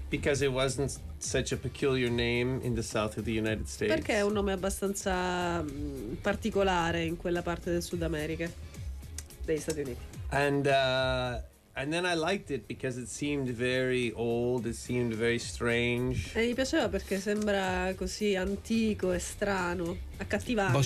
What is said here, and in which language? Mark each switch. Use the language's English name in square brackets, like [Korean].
[English] Because it wasn't such a peculiar name in the south of the United States. [Italian] Perché è un nome abbastanza particolare in quella parte del Sud America, degli Stati Uniti. [English] And then I liked it because it seemed very old, it seemed very strange. [Italian] E mi piaceva perché sembra così antico e strano, accattivante.